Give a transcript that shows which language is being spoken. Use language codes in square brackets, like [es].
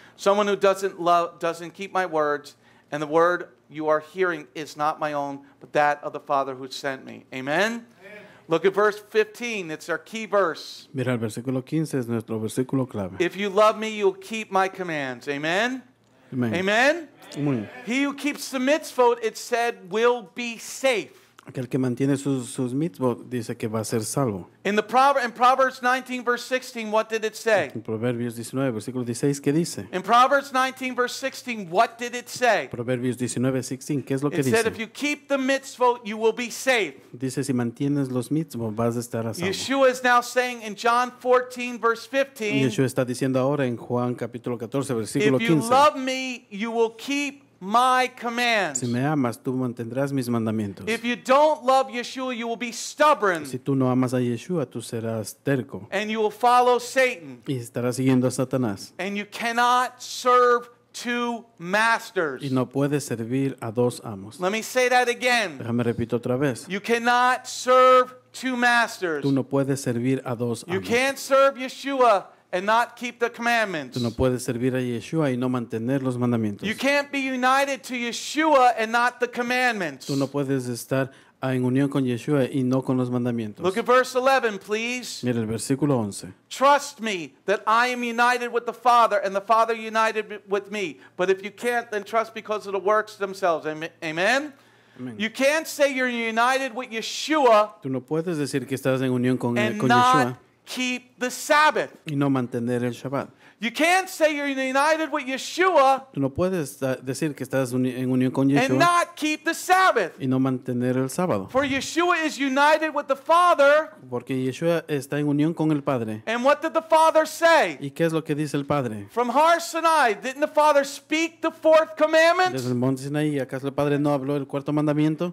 [en] Someone who doesn't keep my words, and the word you are hearing is not my own, but that of the Father who sent me. Amen? Look at verse 15. It's our key verse. [es] Mira, el versículo 15 es nuestro versículo clave. [en] If you love me, you'll keep my commands. Amen? Amen? Amen? Amen. He who keeps the mitzvot, it said, will be safe. [es] Aquel que mantiene sus mitzvot, dice que va a ser salvo. [en] In Proverbs 19, verse 16, what did it say? [es] En Proverbios 19, versículo 16, ¿qué dice? [en] In Proverbs 19, verse 16, what did it say? [es] Proverbios 19, 16, ¿qué es lo que dice? [en] It said, if you keep the mitzvot, you will be safe. [es] Dice, si mantienes los mitzvot, vas a estar a salvo. [en] Yeshua is now saying in John 14, verse 15, [es] Yeshua está diciendo ahora en Juan capítulo 14, versículo 15, [en] if you love me, you will keep my commands. [es] Si me amas, tú mantendrás mis mandamientos. [en] If you don't love Yeshua, you will be stubborn. [es] Si tú no amas a Yeshua, tú serás terco. [en] And you will follow Satan. [es] Y estarás siguiendo a Satanás. [en] And you cannot serve two masters. [es] Y no puedes servir a dos amos. [en] Let me say that again. [es] Déjame repito otra vez. [en] You cannot serve two masters. [es] Tú no puedes servir a dos amos. [en] You can't serve Yeshua and not keep the commandments. [es] Tú no puedes servir a Yeshua y no mantener los mandamientos. [en] You can't be united to Yeshua and not the commandments. [es] Tú no puedes estar en unión con Yeshua y no con los mandamientos. [en] Look at verse 11, please. [es] Mira el versículo 11. [en] Trust me that I am united with the Father and the Father united with me. But if you can't, then trust because of the works themselves. Amen. You can't say you're united with Yeshua. [es] Tú no puedes decir que estás en unión con Yeshua. [en] And not keep the Sabbath. [es] Y no mantener el Shabbat. [en] You can't say you're united with Yeshua. [es] Tú no puedes decir que estás en unión con Yeshua. [en] And not keep the Sabbath. [es] Y no mantener el sábado. [en] For Yeshua is united with the Father. [es] Porque Yeshua está en unión con el Padre. [en] And what did the Father say? [es] ¿Y qué es lo que dice el Padre? [en] From Har Sinai, didn't the Father speak the fourth commandment? [es] Desde el monte Sinaí, ¿acaso el Padre no habló el cuarto mandamiento?